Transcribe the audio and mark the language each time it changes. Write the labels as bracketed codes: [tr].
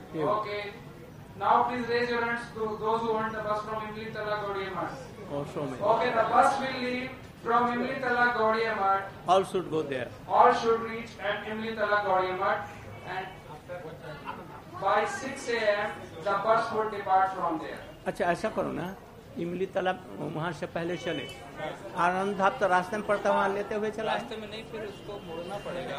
[en] Okay now please raise your hands to those who want the bus from Imlitala Gaudiyamath Okay, the bus will leave from Imlitala Gaudiyamat. All should go there. All should reach at Imlitala Gaudiyamat. And by 6 a.m., the bus would depart from there. [hi] Achha, aisa karo na. इमलीतला वहाँ से पहले चले आनंद धाम तो रास्ते में पड़ता वहाँ लेते हुए चला रास्ते में नहीं फिर उसको मोड़ना पड़ेगा